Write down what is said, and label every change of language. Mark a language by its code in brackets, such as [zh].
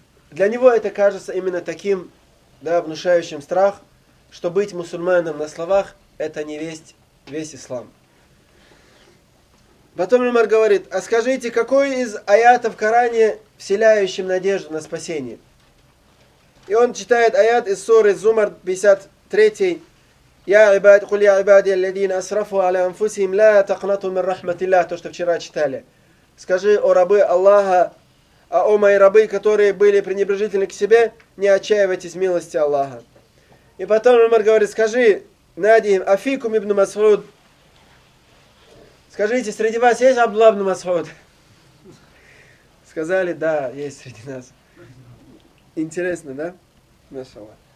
[ru] Для него это кажется именно таким, да, внушающим страх, что быть мусульманином на словах – это не весь ислам. Потом Умар говорит, а скажите, какой из аятов в Коране, вселяющим надежду на спасение? И он читает аят из суры Зумар 53-й. [ar] Я ибад, قل يا عبادي الذين أسرفوا على أنفسهم لا تقنطوا من رحمة الله. [ru] То, что вчера читали. Скажи, о рабы Аллаха, а о мои рабы, которые были пренебрежительны к себе, не отчаивайтесь в милости Аллаха. И потом Умар говорит, скажи, Надим, Афикум ибн Масуд. Скажите, среди вас есть Абдулла ибн Масуд? Сказали, да, есть среди нас. Интересно, да? Машалла.